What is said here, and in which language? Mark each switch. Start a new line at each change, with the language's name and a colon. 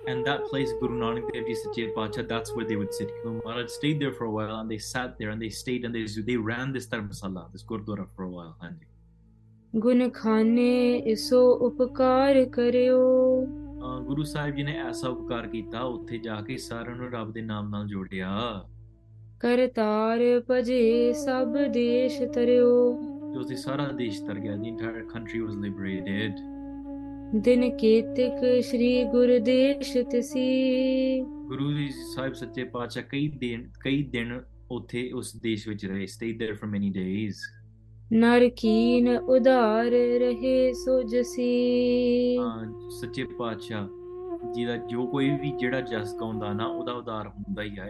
English: And that place, Guru Nanak Dev Ji, Sachi Pacha, that's where they would sit. Guru Maharaj stayed there for a while, and they sat there, and they stayed, and they ran this Dharamsala, this Gurdwara, for a while.
Punjabi: ਗੁਣ ਖਾਨੇ ਇਸੋ ਉਪਕਾਰ ਕਰਿਓ Guru Sahib Ji ਨੇ ਐਸਾ ਉਪਕਾਰ ਕੀਤਾ, ਉੱਥੇ ਜਾ ਕੇ ਸਾਰਿਆਂ ਨੂੰ ਰੱਬ ਦੇ ਨਾਮ ਨਾਲ ਜੋੜਿਆ। ਕਰਤਾਰ ਭਜੇ ਸਭ ਦੇਸ਼ ਤਰਿਓ ਉਸਦੀ ਸਾਰਾ ਦੇਸ਼ ਤਰ ਗਿਆ।
English: The entire country was liberated.
Punjabi: ਦਿਨ ਕੇਤਕ ਸ਼੍ਰੀ ਗੁਰਦੇਸ਼ ਤਸੀ ਗੁਰੂ ਜੀ ਸਾਹਿਬ ਸੱਚੇ ਪਾਤਸ਼ਾਹ ਕਈ ਦਿਨ ਉੱਥੇ ਉਸ ਦੇਸ਼ ਵਿੱਚ ਰਹੇ।
English: Stay there for many days.
Punjabi: ਨਰਕੀਨ ਉਧਾਰ ਰਹੇ ਸੋ ਜਸੀ ਹਾਂ, ਸੱਚੇ ਪਾਤਸ਼ਾਹ ਜੀ ਦਾ ਜੋ ਕੋਈ ਵੀ ਜਿਹੜਾ ਜਸ ਗਾਉਂਦਾ ਨਾ, ਉਹਦਾ ਉਧਾਰ ਹੁੰਦਾ ਹੀ ਹੈ।